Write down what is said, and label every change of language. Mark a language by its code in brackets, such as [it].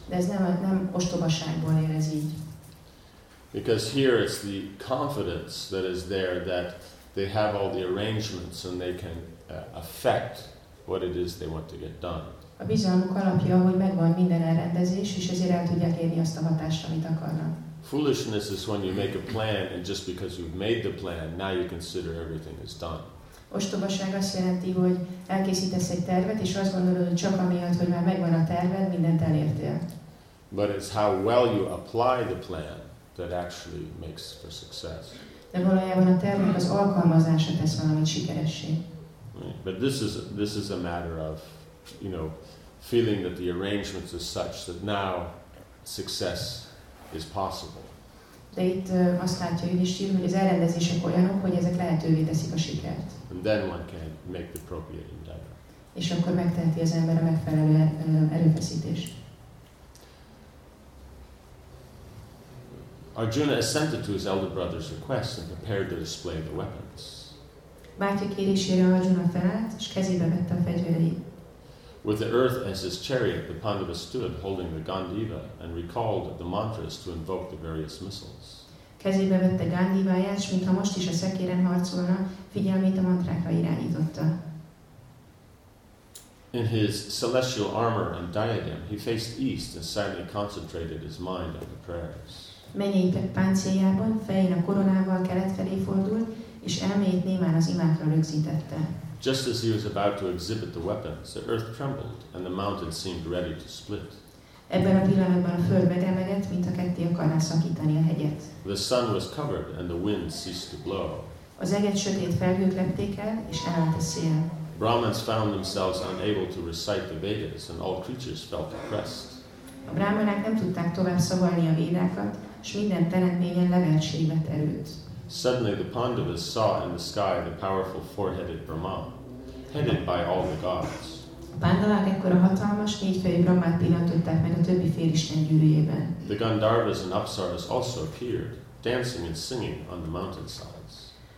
[hu] De ez nem ostobaságból érez így. [en] Because here it's the confidence that is there that they have all the arrangements and they can affect what it is they want to get done. [hu] A bizalmuk alapja, hogy megvan minden elrendezés, és ezért el tudják érni azt a hatást, amit akarnak. [en] Foolishness is when you make a plan and just because you've made the plan, now you consider everything is done. [hu] Ostobaság azt jelenti, hogy elkészítesz egy tervet, és azt gondolod, hogy csak amiatt, hogy már megvan a terved, mindent elértél. [en] But it's how well you apply the plan that actually makes for success. [hu] De valójában a tervnek az alkalmazása tesz valamit sikeressé. [en] But this is a matter of, you know, feeling that the arrangements are such that now success is possible. [hu] De itt azt látja, hogy is írja, hogy az elrendezések olyanok, hogy ezek lehetővé teszik a sikert. [en] And then one can make the appropriate endeavor. [hu] És akkor megteheti az ember a megfelelő erőfeszítést. [en] Arjuna assented to his elder brother's request and prepared to display the weapons. [hu] Bátyja kérésére Arjuna felállt, és kezébe vette a fegyvereit. [en] With the earth as his chariot, the Pandava stood holding the Gandiva and recalled the mantras to invoke the various missiles. [hu] Kezébe vette Gandiváját, mintha most is a szekéren harcolna, figyelmét a mantrákra irányította. [en] In his celestial armor and diadem, he faced east and silently concentrated his mind on the prayers. [hu] Mennyei páncéljában, fején a koronával kelet felé fordult, és elméjét némán az imákra rögzítette. [en] Just as he was about to exhibit the weapons, the earth trembled and the mountain seemed ready to split. [hu] Ebben a pillanatban a föld megremegett, mint a ketté akarná szakítani a hegyet. [en] The sun was covered and the wind ceased to blow. [hu] Az eget sötét felhők lepték el, és elállt a szél. [en] Brahmins found themselves unable to recite the Vedas and all creatures felt oppressed. [hu] A brahmanák nem tudták tovább szavalni a védákat, s minden teremtményen levegőség vett erőt. [en] Suddenly the Pandavas saw in the sky the powerful four-headed Brahma, headed by all the gods. [hu] A Pandavák ekkor a hatalmas négyfejű Brahmát pillantották meg a többi félisten gyűrűjében. [en] The Gandharvas and Apsaras also appeared, dancing and singing on the mountainsides.